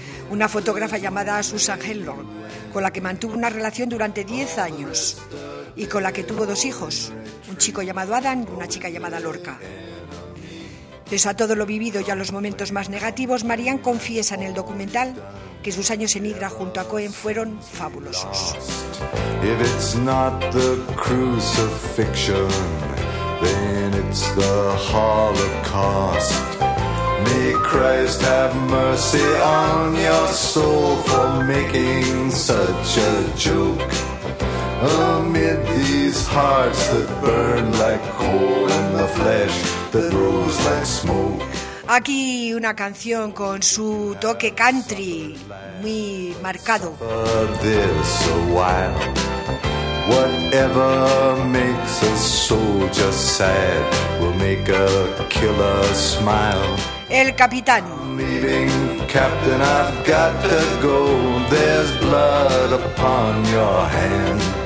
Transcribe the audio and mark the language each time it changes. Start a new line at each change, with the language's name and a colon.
Spanish: Una fotógrafa llamada Susan Hellorn, con la que mantuvo una relación durante 10 años y con la que tuvo dos hijos. Un chico llamado Adam y una chica llamada Lorca. Pese a todo lo vivido y a los momentos más negativos, Marianne confiesa en el documental que sus años en Hidra junto a Cohen fueron fabulosos.
English: If it's not the crucifixion, then it's the Holocaust. May Christ have mercy on your soul for making such a joke. Amid these hearts that burn like coal and the flesh that grows like smoke.
Spanish: Aquí una canción con su toque country muy marcado.
English: This a while. Whatever makes a soldier sad will make a killer smile.
Spanish: El capitán.
English: Leaving captain, I've got to go. There's blood upon your hand.